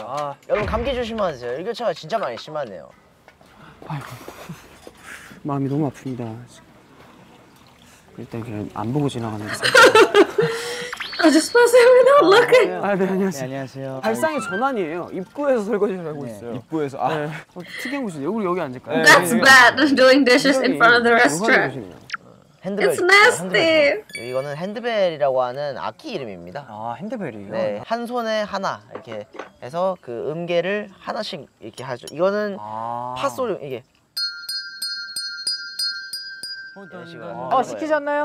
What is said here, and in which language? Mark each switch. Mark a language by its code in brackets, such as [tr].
[ko] 아 여러분 감기 조심하세요. 일교차가 진짜 많이 심하네요. 아이고 마음이 너무 아픕니다. 일단 그냥 안 보고 지나가는 거. [en] I just pass it without looking. [ko] 아, 네, 안녕하세요. 네, 안녕하세요. 발상의 전환이에요. 입구에서 설거지를 하고 네. 있어요. 입구에서, 아. 네. 어, 특이한 곳이네요. 우리 여기 앉을까요? [en] That's [ko] 네. [en] bad, doing dishes in front of the restroom. [ko] 핸드벨. [en] It's nasty. [ko] 이거는 핸드벨이라고 하는 악기 이름입니다. 아, 핸드벨이요? 네, 한 손에 하나 이렇게 해서 그 음계를 하나씩 이렇게 하죠. 이거는 파솔, 이게. 어 시키셨나요?